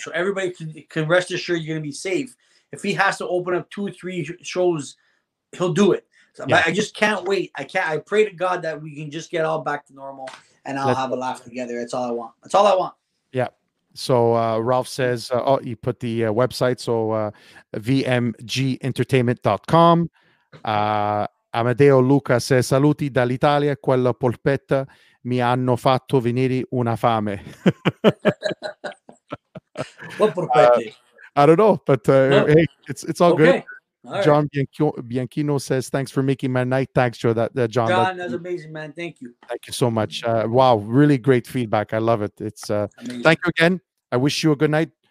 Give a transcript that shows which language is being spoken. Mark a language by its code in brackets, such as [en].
[en] So everybody can rest assured you're going to be safe. If he has to open up two or three shows, he'll do it. So, yeah. But I just can't wait. I pray to God that we can just get all back to normal and let's have a laugh together. That's all I want. That's all I want. Yeah. So Ralph says, you put the website, so vmgentertainment.com. [it] Amadeo Luca says, saluti dall'Italia, quella polpetta mi hanno fatto venire una fame. [en] What polpetta? I don't know, but hey, it's all okay. Good. All John right. Bianchino says, thanks for making my night. Thanks, Joe. John, that's amazing, man. Thank you. Thank you so much. Wow, really great feedback. I love it. It's amazing. Thank you again. I wish you a good night.